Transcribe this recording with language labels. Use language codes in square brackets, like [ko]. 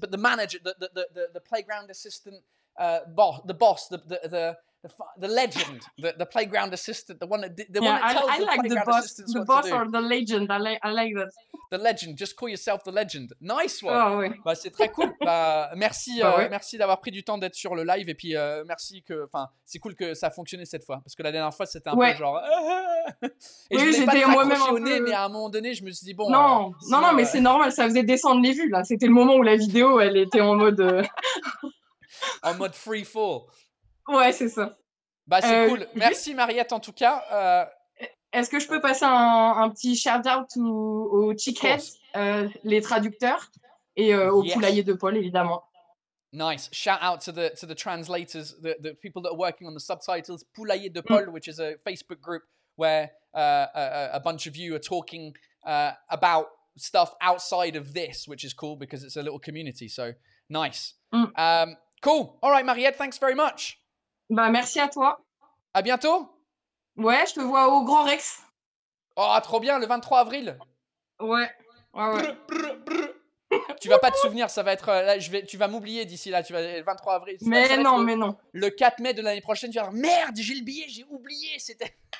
[en] But the manager, the playground assistant, the boss, the legend, the playground assistant, the one that the one that tells the playground assistant, the boss, or the legend. I like that. The legend. Just call yourself the legend. Nice one. [fr] Oh, oui. Bah, c'est très cool. Merci d'avoir pris du temps d'être sur le live et puis merci que, enfin, c'est cool que ça a fonctionné cette fois parce que la dernière fois c'était un peu genre. Et oui, j'étais moi-même un peu... mais à un moment donné, je me suis dit bon. Mais c'est normal. Ça faisait descendre les vues là. C'était le moment où la vidéo, elle était en mode. En mode [en] free fall. [fr] Ouais, c'est ça. Bah, c'est cool. Merci, Mariette, en tout cas. Est-ce que je peux passer un petit shout-out aux chickens, les traducteurs, et aux poulaillers de Paul, évidemment. [en] Nice. Shout-out to the translators, the people that are working on the subtitles. Poulailler de Paul, which is a Facebook group where a bunch of you are talking about stuff outside of this, which is cool because it's a little community. So, nice. Cool. All right, Mariette, thanks very much. [fr] Bah, merci à toi. À bientôt. Ouais, je te vois au Grand Rex. Oh, trop bien, le 23 avril. Ouais. Tu vas pas te souvenir, ça va être... tu vas m'oublier d'ici là, le 23 avril. Mais là, non, mais non. Le 4 mai de l'année prochaine, tu vas dire, merde, j'ai le billet, j'ai oublié, c'était...